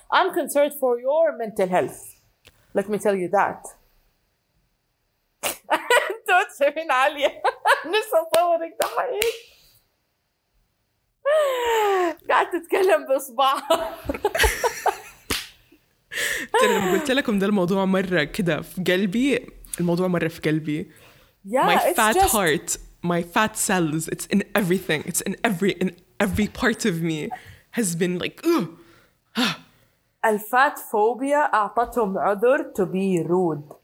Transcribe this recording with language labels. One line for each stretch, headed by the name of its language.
English: I'm concerned for your mental health, let me tell you that.
Arabic: توت شايفين عالية نفسي أصورك دحين قاعد تتكلم بإصبعها. ترى لما قلت لكم ده الموضوع مرة كده في قلبي, الموضوع مرة في قلبي.
English: Yeah, my fat just... heart, my fat cells, it's in everything. It's in every part of me has been like
Arabic: الفات فوبيا أعطتهم عذر
English: to be rude.